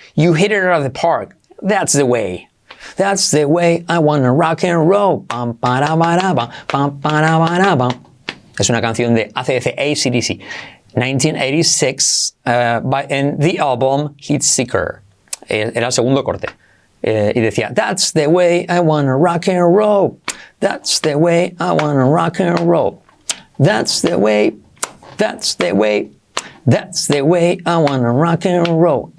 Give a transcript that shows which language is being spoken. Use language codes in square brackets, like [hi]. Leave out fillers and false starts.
[en] You hit it out of the park. That's the way. That's the way I wanna rock and roll. Pam, para, para, pam, pam, para, para, pam. [es] Es una canción de AC/DC, ACDC. [en] 1986, by, in the album Heat Seeker. [es] Era el segundo corte. Y decía, [en] that's the way I wanna rock and roll. That's the way I wanna rock and roll. That's the way, that's the way, that's the way I wanna rock and roll.